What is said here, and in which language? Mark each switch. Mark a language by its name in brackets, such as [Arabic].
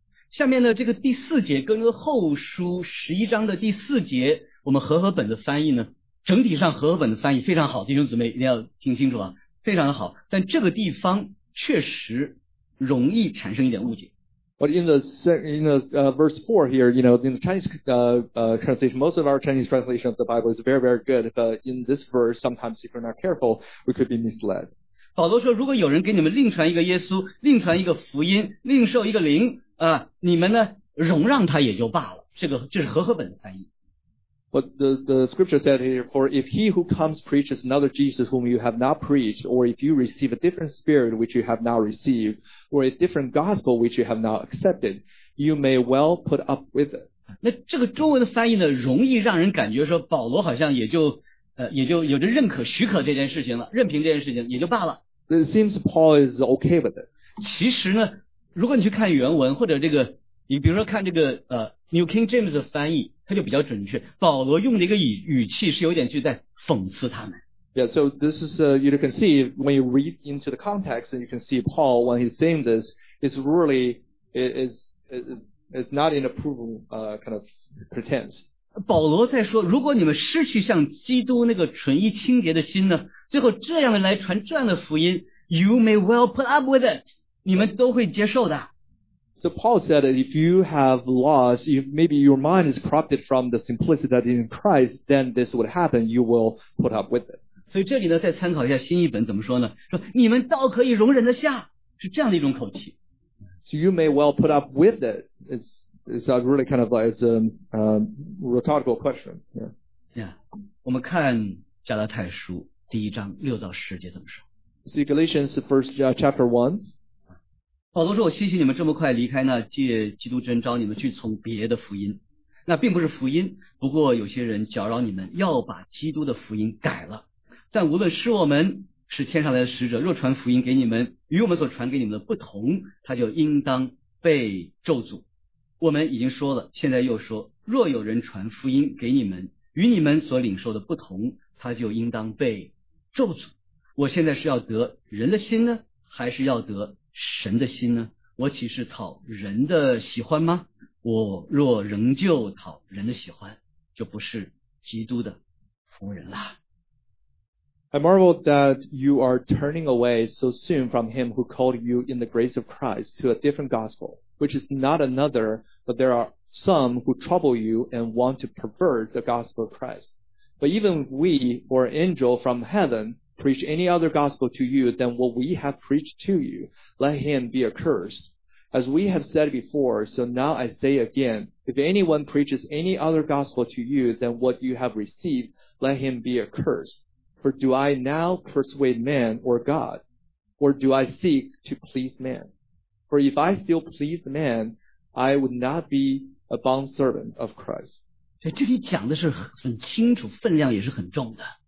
[Chinese] 下面呢，这个第四节，哥林后书十一章的第四节，我们和合本的翻译呢，整体上和合本的翻译非常好，弟兄姊妹一定要听清楚啊，非常的好。但这个地方确实容易产生一点误解。 [English] But in the verse 4 here, you know, in the Chinese translation, most of our Chinese translation of the Bible is very, very good. But in this verse, sometimes if we're not careful, we could be misled. [Chinese] 保罗说如果有人给你们另传一个耶稣另传一个福音另受一个灵你们呢容让他也就罢了这是和合本的翻译。 [English] But the scripture said here, for if he who comes preaches another Jesus whom you have not preached, or if you receive a different spirit which you have not received, or a different gospel which you have not accepted, you may well put up with it. [Chinese] 那这个中文的翻译呢，容易让人感觉说保罗好像也就有着认可许可这件事情了，任凭这件事情也就罢了。 [English] It seems Paul is okay with it. [Chinese] 其实呢，如果你去看原文或者这个，你比如说看这个New King James 的翻译，它就比较准确。保罗用的一个语气是有点去在讽刺他们。 [English] Yeah, so this is you can see when you read into the context, and you can see Paul when he's saying this is really is not in approval kind of pretense. [Chinese] 保罗在说，如果你们失去像基督那个纯一清洁的心呢，最后这样的来传这样的福音 ， [English] you may well put up with it， [Chinese] 你们都会接受的。 [English] So Paul said that if you have lost, if maybe your mind is corrupted from the simplicity that is in Christ, then this would happen, you will put up with it. [Chinese] 所以这里呢，再参考一下新译本怎么说呢？说你们倒可以容忍得下，是这样的一种口气。 [English] So you may well put up with it. It's a really kind of like, rhetorical question. Yeah. [Chinese] 我们看加拉太书第一章六到十节怎么说。 [English] See Galatians first chapter 1. [Chinese] 保罗说我谢谢你们这么快离开那借基督真召你们去从别的福音，那并不是福音，不过有些人搅扰你们要把基督的福音改了，但无论是我们是天上来的使者，若传福音给你们与我们所传给你们的不同，他就应当被咒诅。我们已经说了，现在又说，若有人传福音给你们与你们所领受的不同，他就应当被咒诅。我现在是要得人的心呢，还是要得神的心呢？我岂是讨人的喜欢吗？我若仍旧讨人的喜欢，就不是基督的仆人了。 [English] I marvel that you are turning away so soon from him who called you in the grace of Christ to a different gospel, which is not another, but there are some who trouble you and want to pervert the gospel of Christ. But even we, or angel from heaven,preach any other gospel to you than what we have preached to you, let him be accursed. As we have said before, so now I say again, if anyone preaches any other gospel to you than what you have received, let him be accursed. For do I now persuade man or God? Or do I seek to please man? For if I still please man, I would not be a bondservant of Christ. [Chinese] 所以这里讲的是很清楚，分量也是很重的。